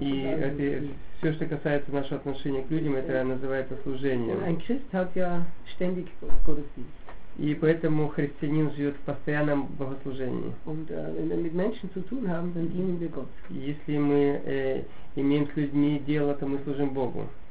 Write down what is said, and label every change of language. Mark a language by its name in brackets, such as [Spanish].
[Russian] и это, все, что касается нашего отношения к людям, это называется служением. [German] Ein Christ hat ja ständig Gottesdienst. [Russian] И поэтому христианин живет в постоянном богослужении. [German] Und, wenn wir mit Menschen zu tun haben, dann dienen wir Gott. [Russian] Если мы имеем с людьми дело, то мы служим Богу.